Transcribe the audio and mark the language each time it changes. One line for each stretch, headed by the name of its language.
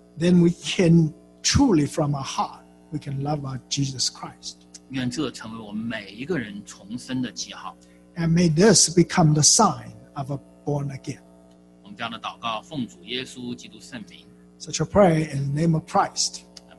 English: Then we can truly from our heart, we can love our Jesus Christ.
Chinese: 愿这成为我们每一个人重生的记号。
English: And may this become the sign of a born again.
Chinese: 我们这样的祷告，奉主耶稣基督圣名。
English: Such a prayer in the name of Christ.